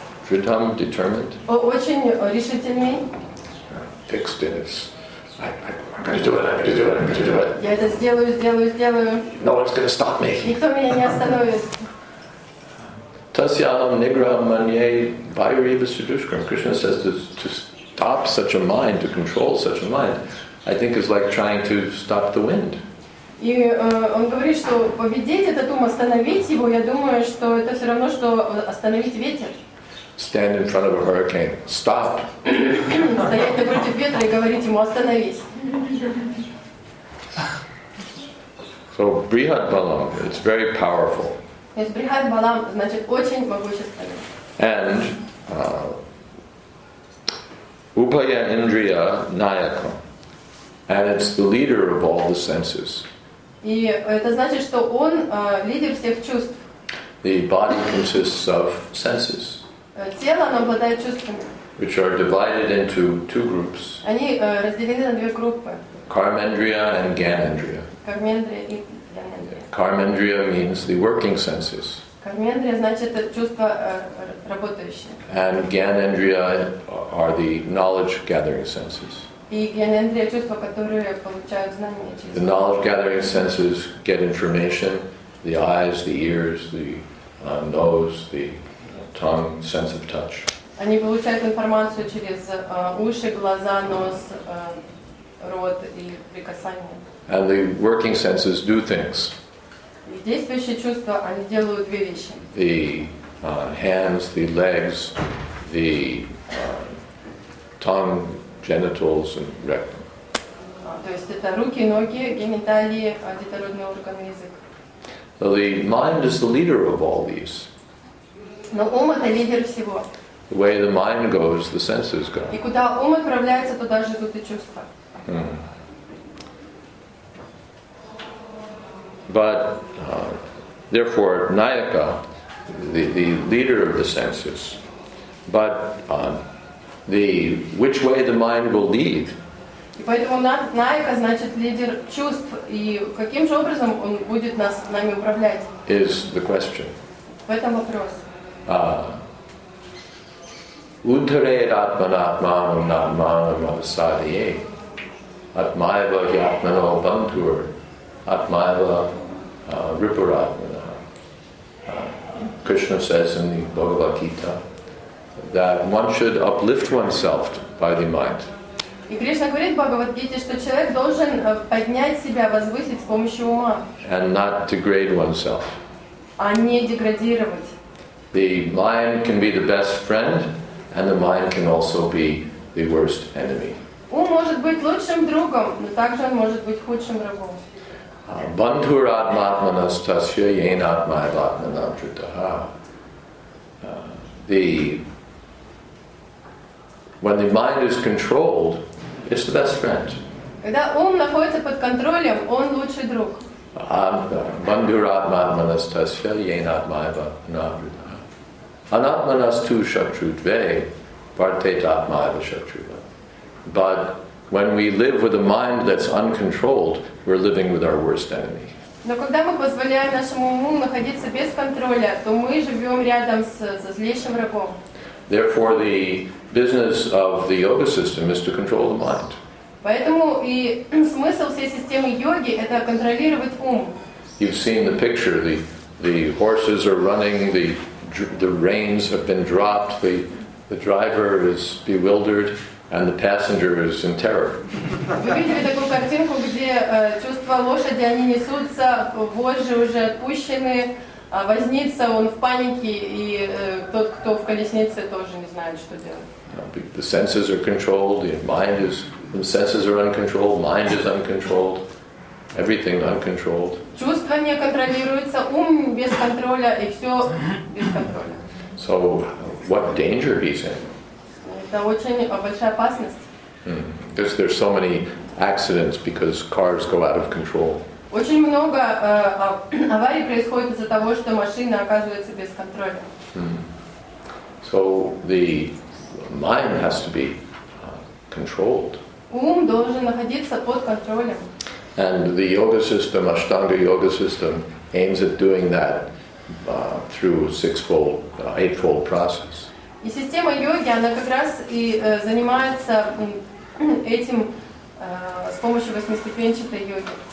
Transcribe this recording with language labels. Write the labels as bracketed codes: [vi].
[en] Dritam, determined. [ru] Очень решительный. [en] Fixed in his. I'm going to do it. [ru] Я это сделаю. [en] No one's going to stop me. [ru] Никто меня не остановит. [sa] Tasyam nigraham manye vairiva sudushkram. [en] Krishna says this to stop such a mind, to control such a mind, I think is like trying to stop the wind. [ru] И он говорит, что победить этот ум, остановить его, я думаю, что это все равно, что остановить ветер. [en] stand in front of a hurricane. Stop. [ru] Стоять напротив ветра и говорить ему остановись. [en] So Brihat Balam, it's very powerful. [ru] Есть Брихат Балам, значит очень могущественный. [en] And [sa] Upaya Indriya Nayakam, [en] and it's the leader of all the senses. [ru] И это значит, что он лидер всех чувств. [en] The body consists of senses. [ru] Тело, оно обладает чувствами. [en] Which are divided into two groups. [ru] Они разделены на две группы. [en] Кармендрия and Гьянендрия. [ru] Кармендрия и Гьянендрия. [en] Кармендрия means the working senses. [ru] Кармендрия значит чувства работающие. [en] And Гьянендрия are the knowledge gathering senses. [ru] И Гьянендрия чувства, которые получают знания через. [en] The knowledge gathering senses get information. The eyes, the ears, the nose, the tongue, sense of touch. [ru] Они получают информацию через уши, глаза, нос, рот и прикасание. [en] And the working senses do things. [ru] Действующие чувства, они делают две вещи. [en] The hands, the legs, the tongue, genitals, and rectum. [ru] То есть это руки, ноги, гениталии, детородные органы, язык. [en] So the mind is the leader of all these. [ru] Но ум это лидер всего. [en] The way the mind goes, the senses go. [ru] И куда ум отправляется, туда же идут и чувства. [en] But therefore, Nayaka, the leader of the senses. But the which way the mind will lead? [ru] И поэтому Найка значит лидер чувств, и каким же образом он будет нас нами управлять? [en] Is the question. [ru] В этом вопрос. [sa] Унтаре атмана атмана атмана мавасадие атмаева ятмана бантур атмаева рипуратмана. [en] Krishna says in the Bhagavad Gita that one should uplift oneself by the mind. [ru] И Кришна говорит в Бхагавад-гите, что человек должен поднять себя, возвысить с помощью ума. [en] And not degrade oneself. [ru] А не деградировать. [en] The mind can be the best friend, and the mind can also be the worst enemy. [ru] Ум может быть лучшим другом, но также он может быть худшим врагом. [sa] Бандхур атматманас тасья ен атмай ватманам джритаха. [en] When the mind is controlled, it's the best friend. [ru] Когда ум находится под контролем, он лучший друг. [sa] Бандхуратманастасья енатмайва нагрита. Анатманасту шатрудве партетатмайва шатрува. [en] But when we live with a mind that's uncontrolled, we're living with our worst enemy. [ru] Но когда мы позволяем нашему уму находиться без контроля, то мы живем рядом со злейшим врагом. [en] Therefore, the business of the yoga system is to control the mind. [ru] Поэтому и смысл всей системы йоги это контролировать ум. [en] You've seen the picture. The horses are running. The reins have been dropped. The driver is bewildered, and the passenger is in terror. [ru] Вы видели такую картинку, где чувства лошади они несутся, вожжи уже отпущены. А возница, он в панике, и тот, кто в колеснице, тоже не знает, что делать. [en] The senses are controlled, the senses are uncontrolled, mind is uncontrolled, everything uncontrolled. [ru] Чувства не контролируются, ум без контроля, и все без контроля. [en] So, what danger he's in? [ru] Это очень большая опасность. [en] Because there's so many accidents because cars go out of control. [ru] Очень много аварий происходит из-за того, что машина оказывается без контроля. [en] So the mind has to be controlled. [ru] Ум должен находиться под контролем. [en] And the yoga system, Ashtanga yoga system, aims at doing that through sixfold, eightfold process. [ru] И система йоги, она как раз и занимается этим с помощью восьмиступенчатой йоги.